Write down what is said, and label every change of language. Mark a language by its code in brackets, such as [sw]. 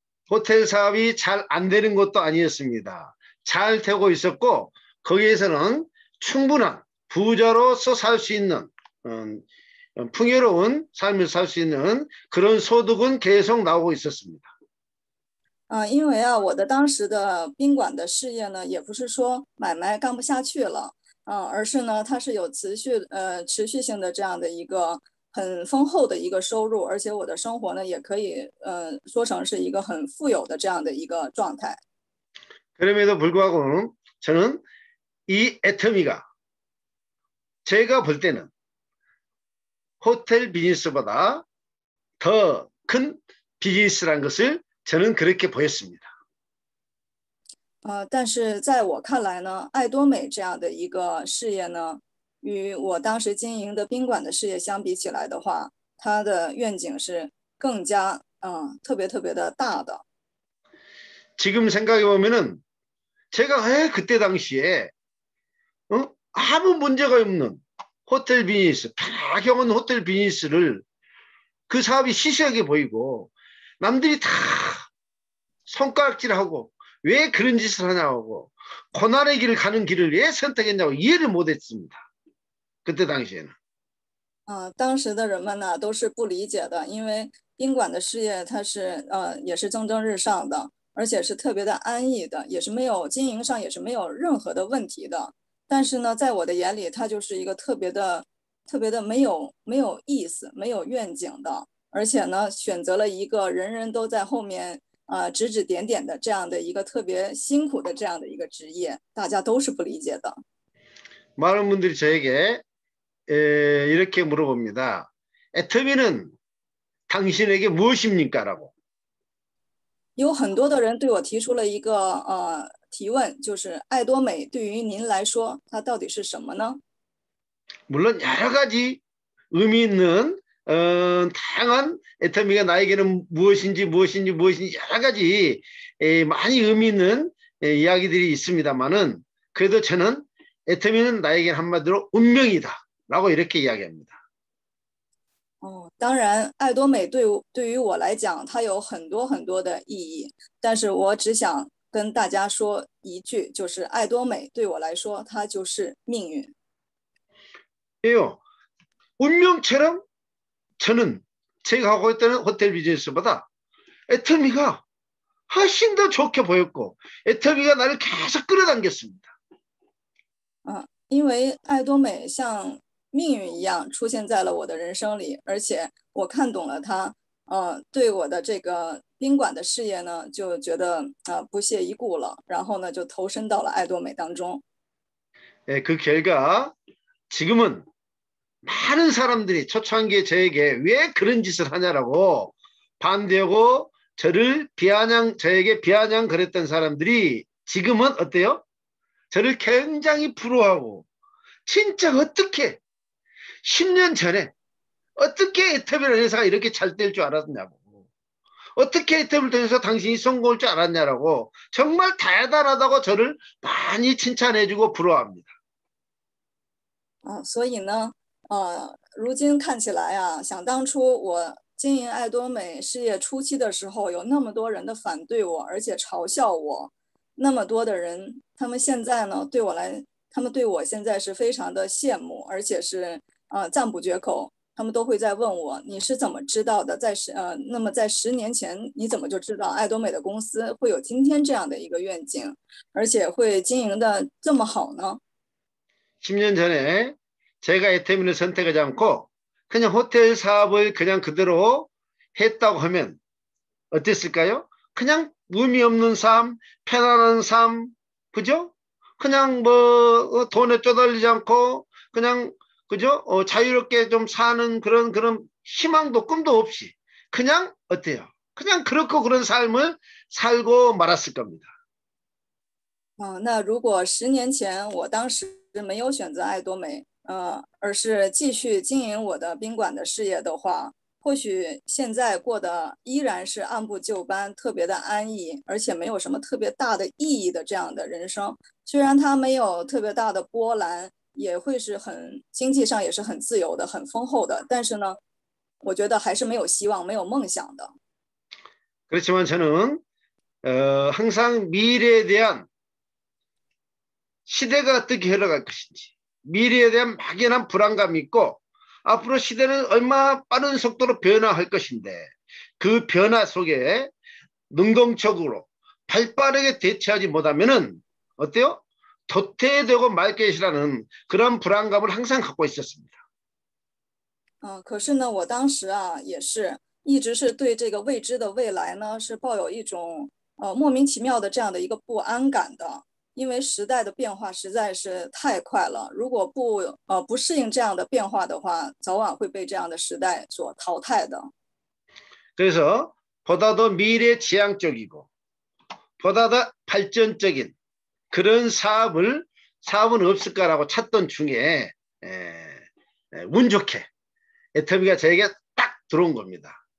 [ko] 호텔 사업이 잘안 되는 것도 아니었습니다. 잘 되고 있었고, 거기에서는 충분한 부자로서 살수 있는, 풍요로운 삶을 살수 있는 그런 소득은 계속 나오고 있었습니다. [zh] 因为啊，我的当时的宾馆的事业呢，也不是说买卖干不下去了。而是呢，它是有持续性的这样的一个很丰厚的一个收入，而且我的生活呢，也可以说成是一个很富有的这样的一个状态。 [ko] 그럼에도 불구하고 저는 이 애터미가 제가 볼 때는 호텔 비즈니스보다 더큰 비즈니스란 것을 저는 그렇게 보였습니다. [zh] 但是在我看来呢，爱多美这样的一个事业呢，与我当时经营的宾馆的事业相比起来的话，它的愿景是更加特别特别的大的。 [ko] 지금 생각해 보면은 제가 왜 그때 당시에 아무 문제가 없는 호텔 비즈니스, 다경은 호텔 비즈니스를 그 사업이 시시하게 보이고 남들이 다 손가락질하고 왜 그런 짓을 하냐고 고난의 길을 가는 길을 왜 선택했냐고 이해를 못했습니다. 그때 당시에는. [zh] 当时的人们呢都是不理解的，因为宾馆的事业它是也是蒸蒸日上的，而且是特别的安逸的，也是没有经营上也是没有任何的问题的。但是呢，在我的眼里，它就是一个特别的没有意思、没有愿景的，而且呢，选择了一个人人都在后面指指点点的这样的一个特别辛苦的这样的一个职业，大家都是不理解的。 [ko] 많은 분들이 저에게 이렇게 물어봅니다. 애터미는 당신에게 무엇입니까? 라고. [zh] 有很多的人对我提出了一个提问，就是爱多美对于您来说，它到底是什么呢？ [ko] 물론 여러 가지 의미 있는 다양한 애터미가 나에게는 무엇인지 무엇인지 무엇인지 여러 가지 많이 의미 있는 이야기들이 있습니다만은 그래도 저는 애터미는 나에게 한마디로 운명이다 라고 이렇게 이야기합니다. [zh] 当然，爱多美对于我来讲，它有很多很多的意义。但是我只想跟大家说一句，就是爱多美对我来说，它就是命运。 [ko] 요 운명처럼 저는 제가 하고 있던 호텔 비즈니스보다 애터미가 훨씬 더 좋게 보였고 애터미가 나를 계속 끌어당겼습니다. [zh] 因为爱多美像命运一样出现在了我的人生里，而且我看懂了它，对我的这个宾馆的事业呢，就觉得不屑一顾了，然后呢，就投身到了爱多美当中。 [ko] 네, 그 결과 지금은 많은 사람들이 초창기에 저에게 왜 그런 짓을 하냐라고 반대하고 저에게 비아냥 그랬던 사람들이 지금은 어때요? 저를 굉장히 부러워하고 진짜 어떻게 10년 전에 어떻게 애터미라는 회사가 이렇게 잘될줄 알았냐고 어떻게 애터미를 통해서 당신이 성공할 줄 알았냐라고 정말 대단하다고 저를 많이 칭찬해주고 부러워합니다. [zh] 所以呢，如今看起来啊，想当初我经营爱多美事业初期的时候，有那么多人的反对我，而且嘲笑我，那么多的人，他们现在呢，他们对我现在是非常的羡慕，而且是赞不绝口。他们都会在问我，你是怎么知道的？那么在10年前，你怎么就知道爱多美的公司会有今天这样的一个愿景，而且会经营得这么好呢？ [ko] 10년 전에 제가 애터미를 선택하지 않고 그냥 호텔 사업을 그냥 그대로 했다고 하면 어땠을까요? 그냥 의미 없는 삶, 편안한 삶, 그죠? 그냥 뭐 돈에 쪼달리지 않고 그냥 그죠? 자유롭게 좀 사는 그런 희망도 꿈도 없이 그냥 어때요? 그냥 그렇고 그런 삶을 살고 말았을 겁니다. [zh] 那如果10年前我当时没有选择爱多美，而是继续经营我的宾馆的事业的话，或许现在过得依然是按部就班，特别的安逸，而且没有什么特别大的意义的这样的人生。虽然它没有特别大的波澜，也会是经济上也是很自由的、很丰厚的，但是呢，我觉得还是没有希望、没有梦想的。 [ko] 그렇지만 저는 항상 미래에 대한 시대가 어떻게 흘러갈 것인지 미래에 대한 막연한 불안감이 있고 앞으로 시대는 얼마나 빠른 속도로 변화할 것인데 그 변화 속에 능동적으로 발 빠르게 대처하지 못하면은 어때요? 도태되고 말 것이라는 그런 불안감을 항상 갖고 있었습니다. [zh] 可是呢，我当时啊，也是一直是对这个未知的未来呢，是抱有一种莫名其妙的这样的一个不安感的。因为时代的变化实在是太快了，如果不适应这样的变化的话，早晚会被这样的时代所淘汰的。 [ko] 그래서 보다 더 미래지향적이고 보다 더 발전적인 그런 사업은 없을까라고 찾던 중에 운 좋게 애터미가 저에게 딱 들어온 겁니다.